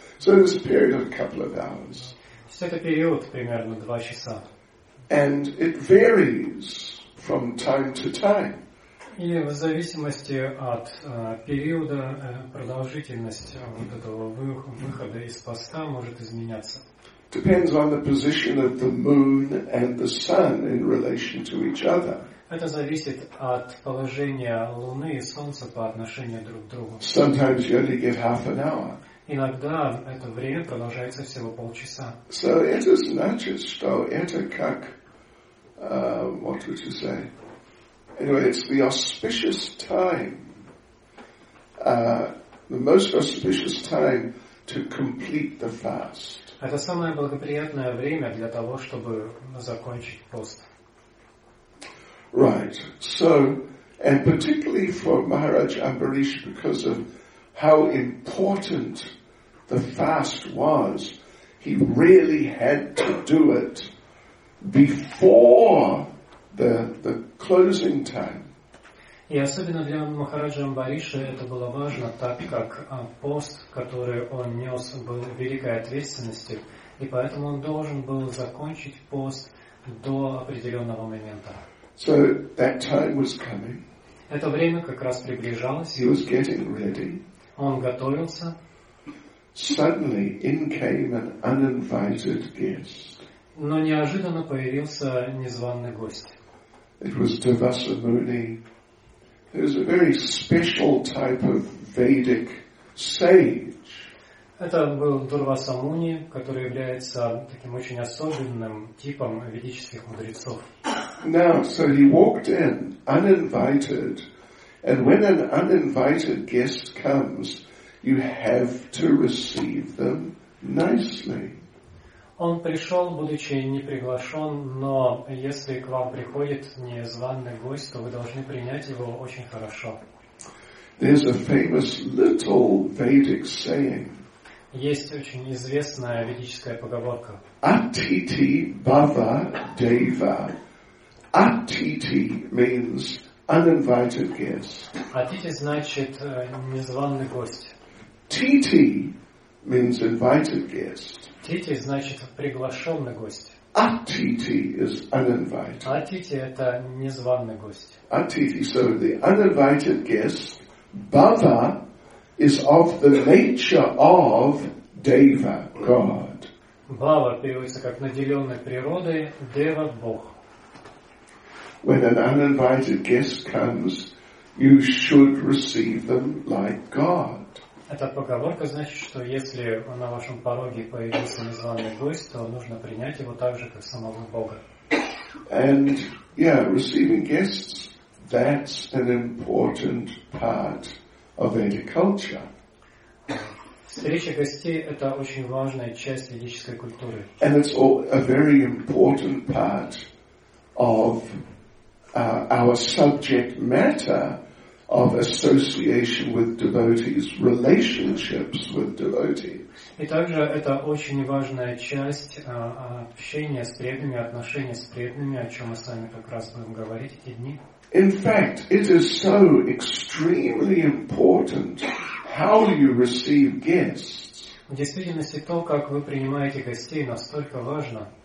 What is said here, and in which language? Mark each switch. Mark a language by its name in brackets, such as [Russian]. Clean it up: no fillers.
[English] So this period of a couple of hours. [Russian] Это период примерно 2 часа. [English] And it varies from time to time. [Russian] И в зависимости от периода, продолжительность вот этого выхода из поста может изменяться. [English] Depends on the position of the moon and the sun in relation to each other. [Russian] Это зависит от положения Луны и Солнца по отношению друг к другу. [English] Sometimes you only get half an hour. [Russian] Иногда это время продолжается всего полчаса. [English] So it is [Russian] значит, что это как, [English] what would you say? Anyway, it's the auspicious time, the most auspicious time to complete the fast. [Russian] Это самое благоприятное время для того, чтобы закончить пост. [English] Right. So, and particularly for Maharaj Ambarish, because of how important the fast was, he really had to do it before the closing time. [Russian] И особенно для Махараджа Амбариши это было важно, так как пост, который он нес, был великой ответственностью, и поэтому он должен был закончить пост до определенного момента. [English] So that time was coming. [Russian] Это время как раз приближалось. [English] He was getting ready. [Russian] Он готовился. [English] Suddenly in came an uninvited guest. [Russian] Но неожиданно появился незваный гость. [English] It was Devasa Muni. He was a very special type of Vedic sage. [Russian] Это был Дурваса Муни, который является таким очень особенным типом ведических мудрецов. [English] Now, so he walked in uninvited, and when an uninvited guest comes, you have to receive them nicely. [Russian] Он пришел, будучи не приглашен, но если к вам приходит незваный гость, то вы должны принять его очень хорошо. [English] There's a famous little Vedic saying. [Russian] Есть очень известная ведическая поговорка. [Sanskrit] Atiti bhava deva. [English] Atiti means uninvited guest. [Russian] Atiti значит незваный гость. [English] Titi means invited guest. [Russian] Титти значит приглашенный гость. [English] Атити is uninvited. [Russian] Атити это незваный гость. [English] Атити, so the uninvited guest, Bhava, is of the nature of Deva, God. [Russian] Bhava переводится как наделенный природой, Дева – Бог. [English] When an uninvited guest comes, you should receive them like God. [Russian] Эта поговорка значит, что если на вашем пороге появился незваный гость, то нужно принять его так же, как самого Бога. [English] And, yeah, receiving guests, that's an important part of Vedic culture. [Russian] Встреча гостей – это очень важная часть ведической культуры. [English] And it's all a very important part of our subject matter of association with devotees, relationships with devotees. [Russian] И также это очень важная часть общения с преданными, отношения с преданными, о чем мы с вами как раз будем говорить эти дни. [English] In fact, it is so extremely important how you receive guests. [Russian] В действительности то, как вы принимаете гостей, настолько важно.